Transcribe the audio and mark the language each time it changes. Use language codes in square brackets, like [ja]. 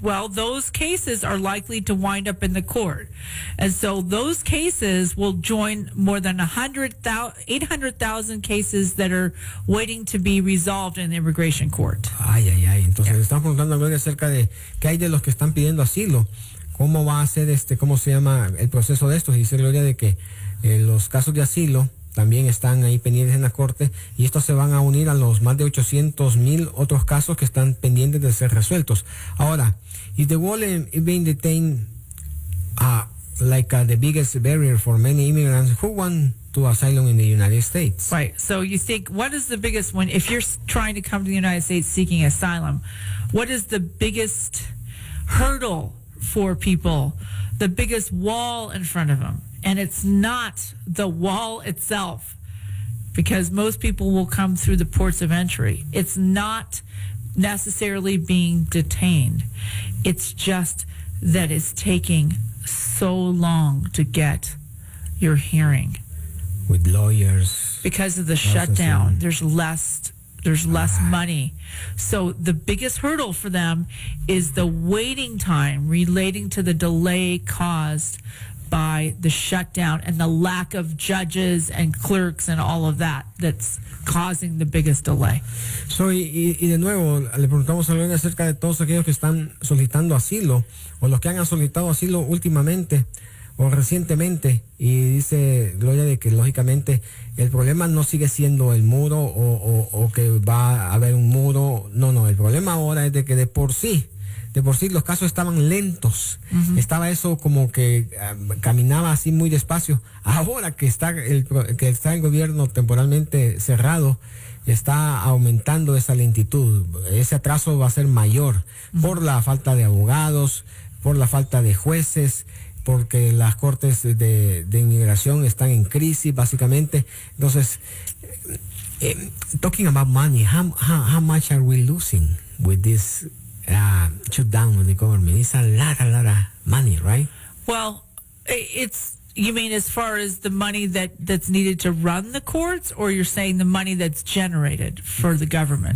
[en] Well, those cases are likely to wind up in the court. And so those cases will join more than 800,000 cases that are waiting to be resolved in the immigration court. Ay, ay, ay. [es] Entonces, yeah. Están preguntando, Gloria, acerca de qué hay de los que están pidiendo asilo. ¿Cómo va a ser cómo se llama el proceso de esto? Y dice Gloria de que los casos de asilo también están ahí pendientes en la corte y estos se van a unir a los más de 800,000 otros casos que están pendientes de ser resueltos. [en] Ahora, is the wall being detained the biggest barrier for many immigrants who want to asylum in the United States? Right. So you think, what is the biggest one if you're trying to come to the United States seeking asylum? What is the biggest hurdle for people? The biggest wall in front of them? And it's not the wall itself, because most people will come through the ports of entry. It's not necessarily being detained. It's just that it's taking so long to get your hearing. With lawyers. Because of the shutdown, there's less money. So the biggest hurdle for them is the waiting time relating to the delay caused by the shutdown and the lack of judges and clerks and all of that that's causing the biggest delay. [es] So, y de nuevo, le preguntamos a Lorena acerca de todos aquellos que están solicitando asilo o los que han solicitado asilo últimamente o recientemente, y dice Gloria de que lógicamente el problema no sigue siendo el muro o que va a haber un muro. No, el problema ahora es de que de por sí los casos estaban lentos. Uh-huh. Estaba eso como que caminaba así muy despacio. Ahora que está el gobierno temporalmente cerrado, está aumentando esa lentitud. Ese atraso va a ser mayor. Uh-huh. Por la falta de abogados, por la falta de jueces, porque las cortes de inmigración están en crisis, básicamente. [en] Entonces, talking about money, how much are we losing with this shut down with the government? It's a lot of money, right? Well, it's, you mean as far as the money that's needed to run the courts, or you're saying the money that's generated for the government?